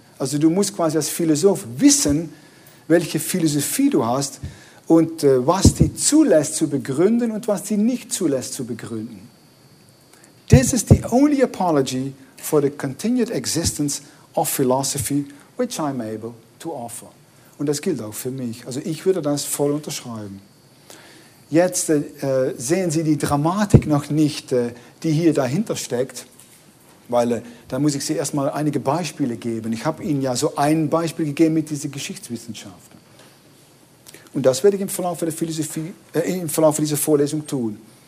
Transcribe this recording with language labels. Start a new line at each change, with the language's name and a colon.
German: Also du musst quasi als Philosoph wissen, welche Philosophie du hast und was die zulässt zu begründen und was die nicht zulässt zu begründen.
English: This is the only apology for the continued existence of philosophy which I'm able to offer.
German: Und das gilt auch für mich. Also ich würde das voll unterschreiben. Jetzt sehen Sie die Dramatik noch nicht, die hier dahinter steckt, weil da muss ich Sie erstmal einige Beispiele geben. Ich habe Ihnen ja so ein Beispiel gegeben mit dieser Geschichtswissenschaft. Und das werde ich im Verlauf der Philosophie, im Verlauf dieser Vorlesung tun.